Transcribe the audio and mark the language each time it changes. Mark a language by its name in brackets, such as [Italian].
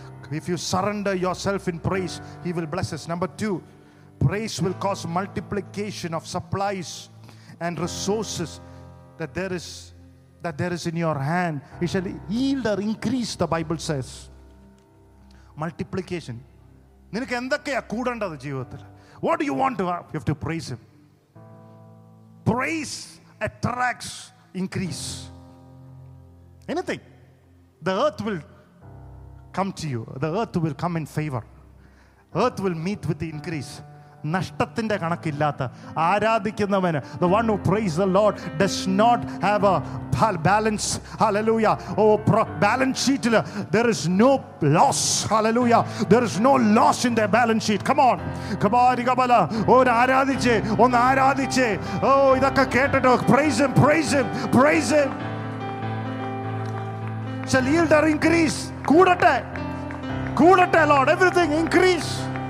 [English] If you surrender yourself in praise, he will bless us. Number two, praise will cause multiplication of supplies and resources that there is in your hand. It shall yield or increase, the Bible says. Multiplication. [Malayalam] നിനക്ക് എന്തൊക്കെയാ കൂടേണ്ടത് ജീവിതത്തിൽ? [English] What do you want to have? You have to praise him. Praise attracts increase. Anything. The earth will come to you. The earth will come in favor. Earth will meet with the increase. [Malayalam] നഷ്ടത്തിന്റെ കണക്കില്ലാത്ത ആരാധിക്കുന്നവന്, [English] the one who praise the Lord does not have a balance. Hallelujah. Oh, balance sheet, there is no loss. Hallelujah. There is no loss in their balance sheet. Come on. [Malayalam] കബാരികബല ഒന്ന് ആരാധിച്ച്. ഓ, ഇതൊക്കെ കേട്ടിട്ട് [English] praise him. Shall yield or increase? [Malayalam] കൂടട്ടെ [English] Lord, everything increase.